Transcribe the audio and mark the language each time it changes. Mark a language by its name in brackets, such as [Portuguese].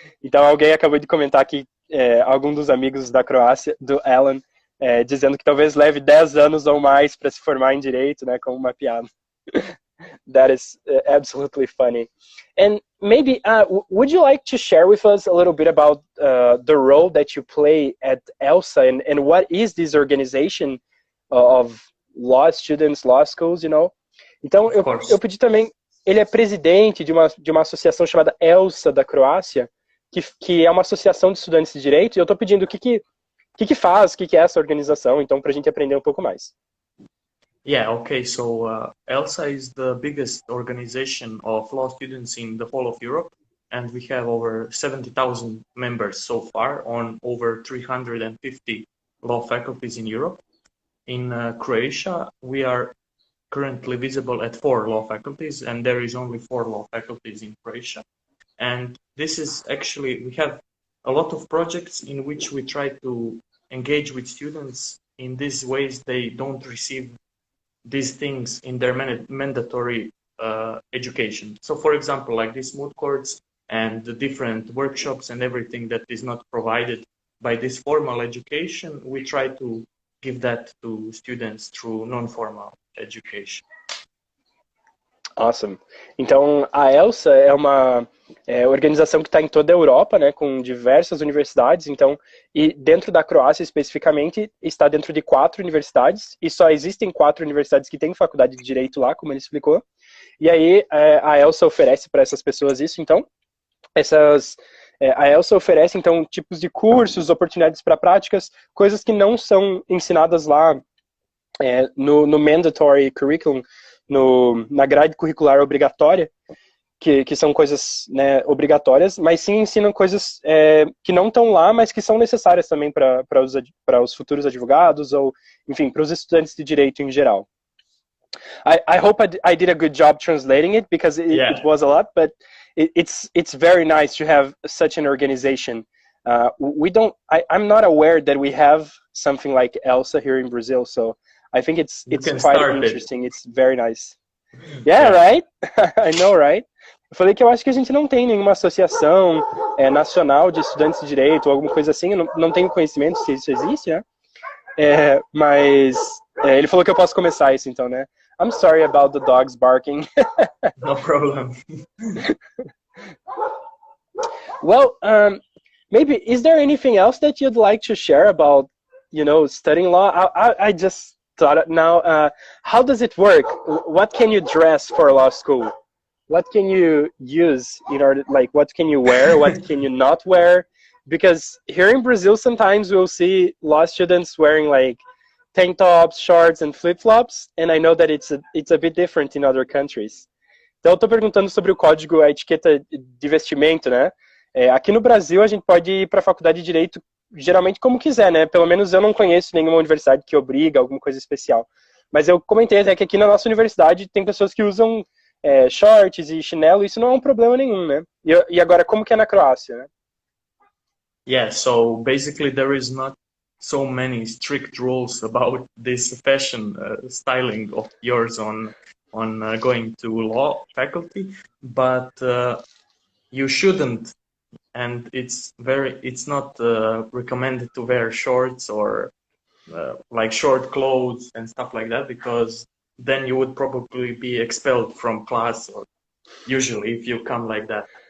[Portuguese] Então, alguém acabou de comentar que algum dos amigos da Croácia, do Alan, dizendo que talvez leve 10 anos ou mais para se formar em direito, né, como uma piada. [English] That is absolutely funny. And maybe, would you like to share with us a little bit about the role that you play at ELSA and what is this organization of law students, law schools, you know? [Portuguese] Então, eu pedi também, ele é presidente de uma associação chamada ELSA da Croácia, que é uma associação de estudantes de direito, e eu estou pedindo o que faz, o que é essa organização, então, para a gente aprender um pouco mais. [English] Yeah, okay, so ELSA is the biggest organization of law students in the whole of Europe, and we have over 70,000 members so far on over 350 law faculties in Europe. In Croatia, we are currently visible at 4 law faculties, and there is only 4 law faculties in Croatia. And this is actually, we have a lot of projects in which we try to engage with students in these ways they don't receive these things in their mandatory education. So, for example, like these moot courts and the different workshops and everything that is not provided by this formal education, we try to give that to students through non-formal education. Awesome. [Portuguese] Então, a ELSA é uma organização que está em toda a Europa, né, com diversas universidades, então, e dentro da Croácia especificamente, está dentro de 4 universidades, e só existem 4 universidades que têm faculdade de direito lá, como ele explicou, e aí a ELSA oferece para essas pessoas isso, então, a ELSA oferece, então, tipos de cursos, oportunidades para práticas, coisas que não são ensinadas lá no mandatory curriculum, na grade curricular obrigatória, que são coisas, né, obrigatórias, mas sim ensinam coisas que não estão lá, mas que são necessárias também para os futuros advogados, ou, enfim, para os estudantes de direito em geral. [English] I hope I did a good job translating it, because it was a lot, but it's very nice to have such an organization. I'm not aware that we have something like ELSA here in Brazil, so I think it's quite interesting. It's very nice. Yeah. Right? I know, right? [Portuguese] Eu falei que eu acho que a gente não tem nenhuma associação nacional de estudantes de direito ou alguma coisa assim. Eu não tenho conhecimento se isso existe, né? Mas ele falou que eu posso começar isso, então, né? [English] I'm sorry about the dogs barking. No problem. Well, maybe, is there anything else that you'd like to share about, you know, studying law? I just thought, now, how does it work? What can you dress for law school? What can you use in order, like, what can you wear? What can you not wear? Because here in Brazil, sometimes we'll see law students wearing, like, tank tops, shorts, and flip-flops, and I know that it's a bit different in other countries. [Portuguese] Então, eu tô perguntando sobre o código, a etiqueta de vestimento, né? Aqui no Brasil, a gente pode ir para a faculdade de direito geralmente como quiser, né? Pelo menos eu não conheço nenhuma universidade que obriga alguma coisa especial. Mas eu comentei até que aqui na nossa universidade tem pessoas que usam shorts e chinelo, isso não é um problema nenhum, né? E agora, como que é na Croácia, né? [English] Yeah, so basically there is not so many strict rules about this fashion styling of yours on going to law faculty, but you shouldn't, and it's not recommended to wear shorts or like short clothes and stuff like that, because then you would probably be expelled from class, or usually if you come like that.